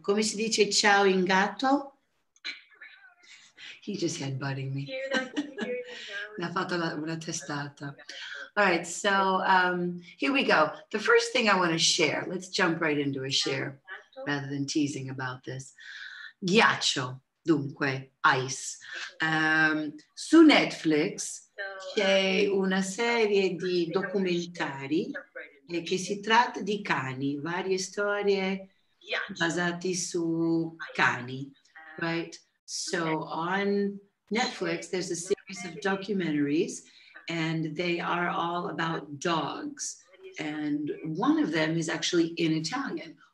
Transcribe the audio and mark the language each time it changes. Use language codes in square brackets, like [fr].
[it] Come si dice ciao in gatto? [en] He just headbutting me. [it] Mi ha fatto una testata. [en] All right, so here we go. The first thing I want to share, let's jump right into a share rather than teasing about this. [it] Ghiaccio, dunque, ice. Su Netflix c'è una serie di documentari che si tratta di cani, varie storie basate su cani, right? [en] So on Netflix, there's a series of documentaries and they are all about dogs. And one of them is actually in Italian.